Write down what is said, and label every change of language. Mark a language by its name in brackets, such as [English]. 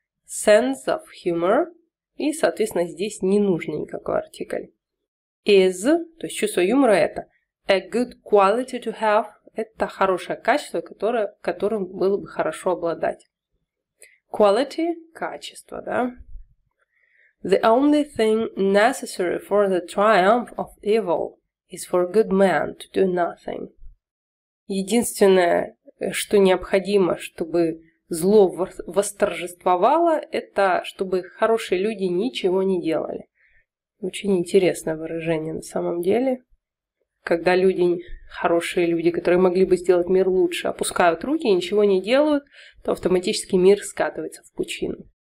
[English] Sense of humor. [Russian] И, соответственно, здесь не нужен никакой артикль. Is, то есть чувство юмора – это [English] a good quality to have. [Russian] Это хорошее качество, которым было бы хорошо обладать. Quality – качество, да? [English] The only thing necessary for the triumph of evil is for good men to do nothing. [Russian] Единственное, что необходимо, чтобы зло восторжествовало, это чтобы хорошие люди ничего не делали. Очень интересное выражение на самом деле. Когда люди, хорошие люди, которые могли бы сделать мир лучше, опускают руки и ничего не делают, то автоматически мир скатывается в пучину.